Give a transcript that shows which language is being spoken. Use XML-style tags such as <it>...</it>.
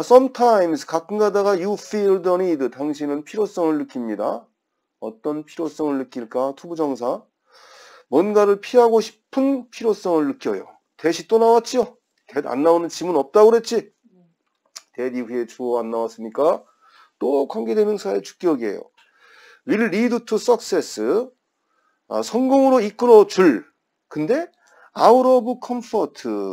<en>Sometimes,</en> <ko>가끔 가다가</ko> <en>you feel the need.</en> <ko>당신은 필요성을 느낍니다. 어떤 필요성을 느낄까? 투부정사. 뭔가를 피하고 싶은 필요성을 느껴요. 대시 또 나왔지요? 대안 나오는 지문 없다고 그랬지? 대 이후에 주어 안 나왔으니까 또 관계대명사의 주격이에요.</ko> <en>Will lead to success.</en> <ko>아, 성공으로 이끌어 줄. 근데 out of comfort.</ko>